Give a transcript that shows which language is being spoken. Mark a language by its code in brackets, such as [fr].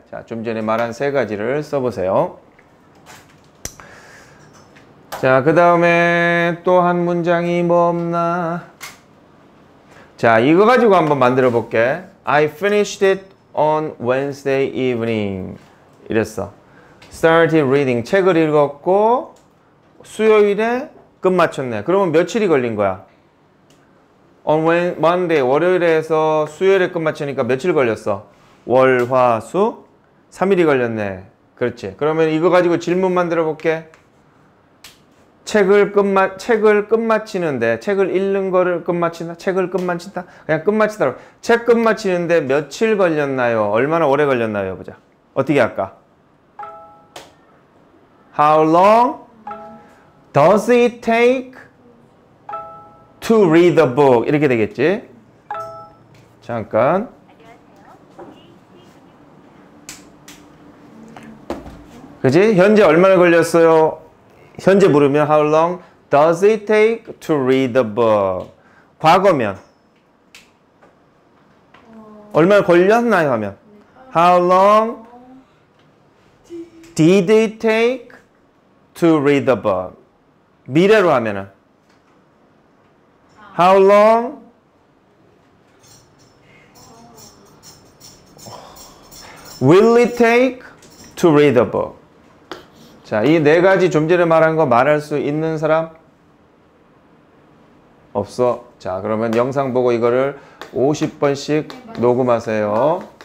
[ko] 자, 좀 전에 말한 세 가지를 써보세요. 자, 그 다음에 또 한 문장이 뭐 없나? 자, 이거 가지고 한번 만들어 볼게. [en] I finished it on Wednesday evening. [ko] 이랬어. [en] Started reading. [ko] 책을 읽었고 수요일에 끝마쳤네. 그러면 며칠이 걸린 거야? [en] On Monday, [ko] 월요일에 해서 수요일에 끝마치니까 며칠 걸렸어? 월, 화, 수? 3일이 걸렸네. 그렇지. 그러면 이거 가지고 질문 만들어 볼게. 책을 끝마치는데, 책을 읽는 거를 끝마친다? 책을 끝마친다? 그냥 끝마치다. 책 끝마치는데 며칠 걸렸나요? 얼마나 오래 걸렸나요? 보자. 어떻게 할까? [en] How long does it take to read the book? [ko] 이렇게 되겠지? 잠깐. 그지? 현재 얼마나 걸렸어요? 현재 물으면 [en] How long does it take to read the book? [ko] 과거면 얼마나 걸렸나요 하면 [en] How long did it take to read the book? [ko] 미래로 하면은 [en] How long will it take to read the book? [ko] 자, 이 네 가지 좀 전에 말한 거 말할 수 있는 사람? 없어. 자, 그러면 영상 보고 이거를 50번씩 녹음하세요.